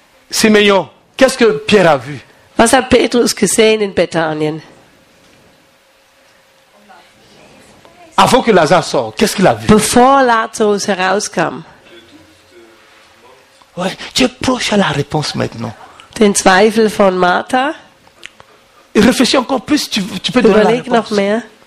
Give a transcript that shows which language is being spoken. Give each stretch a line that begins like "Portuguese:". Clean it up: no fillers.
French: Simeon, qu'est-ce que Pierre a vu?
German: Was hat Petrus gesehen in Bethanien?
French: Avant que Lazare sorte, qu'est-ce qu'il a vu?
English: Before
German: Lazarus herauskam.
French: Ouais, tu es proche à la réponse maintenant.
German: Den Zweifel von Martha.
French: Et réfléchis encore plus, tu peux donner la réponse.
German: Noch mehr.